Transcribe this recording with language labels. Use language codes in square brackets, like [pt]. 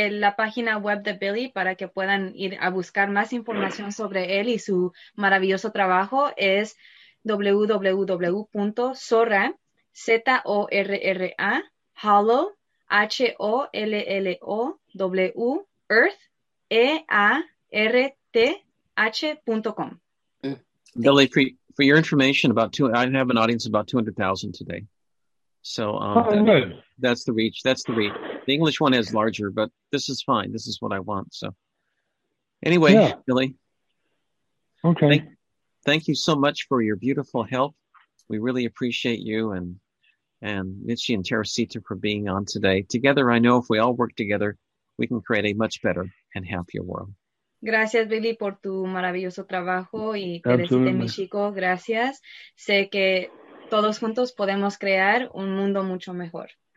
[es] La página web de Billy para que puedan ir a buscar más información sobre él y su maravilloso trabajo es www.zorra, Z O R R A, Hollow, H O L L O W, Earth, E A R T H.com. [en] Billy, for your information, I have an audience of about 200,000 today. So that's the reach. That's the reach. The English one is larger, but this is fine. This is what I want. So anyway, yeah. Billy. Okay. Thank you so much for your beautiful help. We really appreciate you and Michi and Teresita for being on today. Together, I know if we all work together, we can create a much better and happier world. [es] Gracias, Billy, por tu maravilloso trabajo y Teresita, mi chico, gracias. Sé que todos juntos podemos crear un mundo mucho mejor.